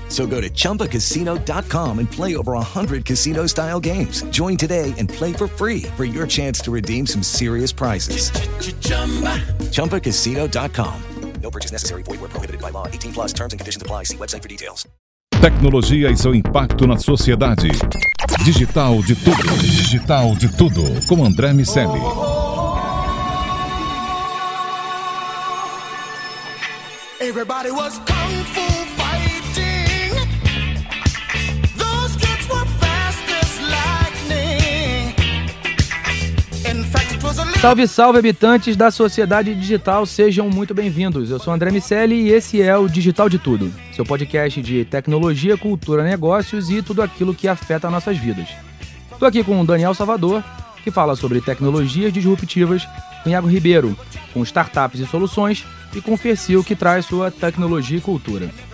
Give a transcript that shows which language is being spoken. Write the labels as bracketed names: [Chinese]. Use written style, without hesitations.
[English] So go to Chumbacasino.com and play over 100 casino-style games. Join today and play for free for your chance to redeem some serious prizes. Chumbacasino.com. No purchase necessary. Void where prohibited by law. 18 plus terms and conditions apply. See website for details. [Portuguese] Tecnologia e seu impacto na sociedade. Digital de tudo. Digital de tudo. Com André Miceli. [English] Everybody was kung fu fighting. Those kids were fast as lightning. In fact, it was a... [Portuguese] Salve, salve, habitantes da sociedade digital, sejam muito bem-vindos. Eu sou André Miceli e esse é o Digital de Tudo, seu podcast de tecnologia, cultura, negócios e tudo aquilo que afeta nossas vidas. Estou aqui com o Daniel Salvador, que fala sobre tecnologias disruptivas, com Iago Ribeiro, com startups e soluções, e com o Fercil, que traz sua tecnologia e cultura.